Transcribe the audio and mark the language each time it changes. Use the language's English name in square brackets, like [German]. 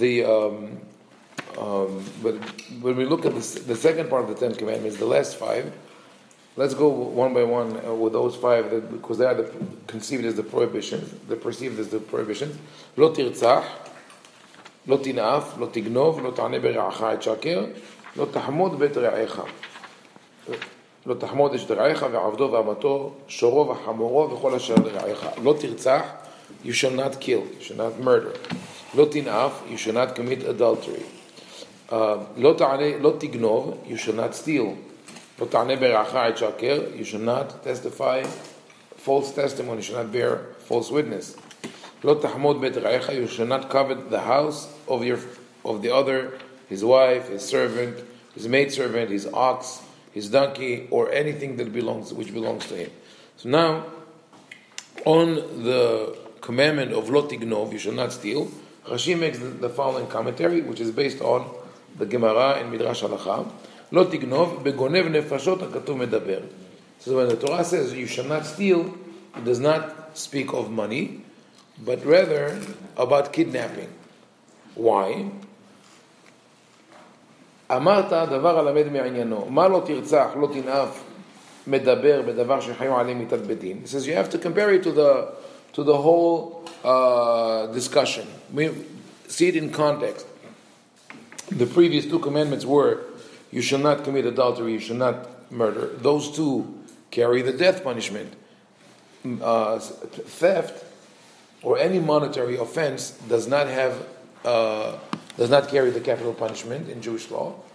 [English] But when we look at the second part of the Ten Commandments, the last five, let's go one by one with those five, because they are conceived as the prohibitions. They're perceived as the prohibitions. [Hebrew] Lo Tirtzach, Lo Tinaf, Lo Tignov, Lo Ta'aneh Bere'acha Et Shaker, לא תחמוד בית רעיך. לא תחמוד את רעיך ועבדו ועמתו, שורו וחמורו וכל אשר לרעיך. לא תרצח, [English] you shall not kill, you shall not murder. [Hebrew] לא תנאף, [English] you shall not commit adultery. [Hebrew] לא תגנוב, [English] you shall not steal. [Hebrew] לא תענה ברעך את שקר, [English] you shall not testify false testimony, you shall not bear false witness. [Hebrew] לא תחמוד בית רעיך, [English] you shall not covet the house of the other, his wife, his servant, his maidservant, his ox, his donkey, or anything which belongs to him. So now, on the commandment of [Hebrew] Lo Tignov, [English] you shall not steal, Rashi makes the following commentary, which is based on the Gemara in Midrash Halacha. [Hebrew] Lo Tignov, begonev nefashot hakatuv medaber. [English] So when the Torah says you shall not steal, it does not speak of money, but rather about kidnapping. Why? [Hebrew] אמרת דבר הלמד מעניינו. מה לא תרצח, לא תנאף, מדבר בדבר שחיו עליהם מיתת בדין. [English] He says, you have to compare it to the whole discussion. We see it in context. The previous two commandments were, you shall not commit adultery, you shall not murder. Those two carry the death punishment. Theft, or any monetary offense, does not carry the capital punishment in Jewish law.